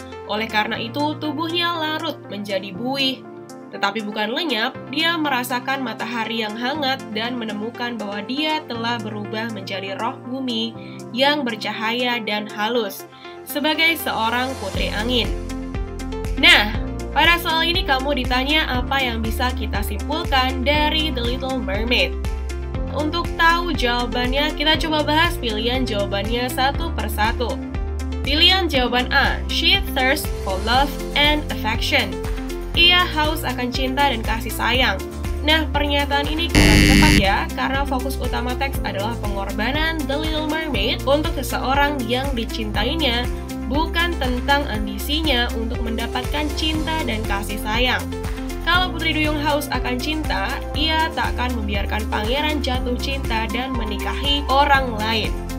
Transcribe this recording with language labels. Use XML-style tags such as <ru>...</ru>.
<id>Oleh karena itu, tubuhnya larut menjadi buih. Tetapi bukan lenyap, dia merasakan matahari yang hangat dan menemukan bahwa dia telah berubah menjadi roh bumi yang bercahaya dan halus, sebagai seorang putri angin. Nah, pada soal ini kamu ditanya apa yang bisa kita simpulkan dari The Little Mermaid. Untuk tahu jawabannya, kita coba bahas pilihan jawabannya satu per satu. Pilihan jawaban A,</id> <en>she thirsts for love and affection.</en> <id>Ia haus akan cinta dan kasih sayang. Nah, pernyataan ini kurang tepat ya, karena fokus utama teks adalah pengorbanan The Little Mermaid untuk seseorang yang dicintainya, bukan tentang ambisinya untuk mendapatkan cinta dan kasih sayang. Kalau Putri Duyung haus akan cinta, ia tak akan membiarkan pangeran jatuh cinta dan menikahi orang lain.</id>